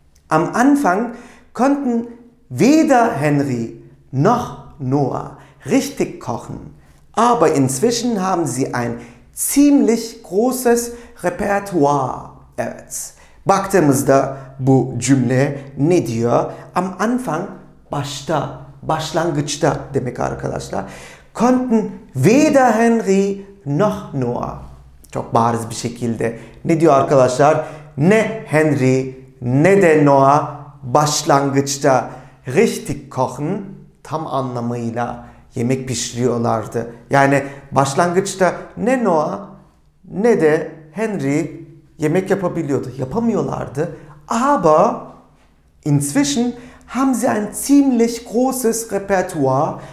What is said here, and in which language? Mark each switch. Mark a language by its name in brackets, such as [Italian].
[German] Am Anfang konnten weder Henry noch Noah richtig kochen. Aber inzwischen haben sie ein ziemlich großes Repertoire. [Turkish] Evet. Baktığımızda bu cümle ne diyor? Am Anfang, başta, başlangıçta demek arkadaşlar. [German] Konnten weder Henry noch Noah. [Turkish] Çok bariz bir şekilde. Ne diyor arkadaşlar? Ne Henry ne de Noah başlangıçta [German] richtig kochen, [Turkish] tam anlamıyla yemek pişiriyorlardı. Yani başlangıçta ne Noah ne de Henry yemek yapabiliyordu. Yapamıyorlardı. [German] Aber inzwischen haben sie ein ziemlich großes Repertoire.